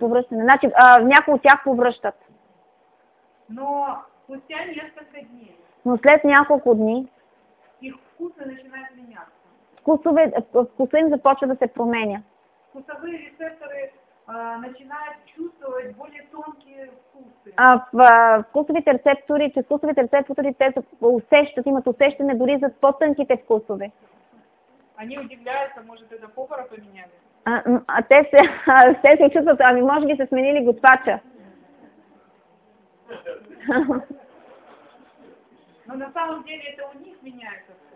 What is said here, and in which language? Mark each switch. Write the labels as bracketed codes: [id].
[bg] Значи някои от тях повръщат. [ru] Но спустя несколько дней. [bg] Но след няколко дни [ru] их вкуса начинает меняться. [bg] Вкуса им започва да се променя. [ru] Вкусовые рецепторы начинают чувствовать более тонкие вкусы. [bg] Вкусовите рецептори, те усещат, имат усещане дори за по-тънките вкусове. [ru] Они удивляются, может, это повара поменяли? [bg] Те се чувстват, ами може би се сменили готвача. [ru] Но на самом деле это у них меняется.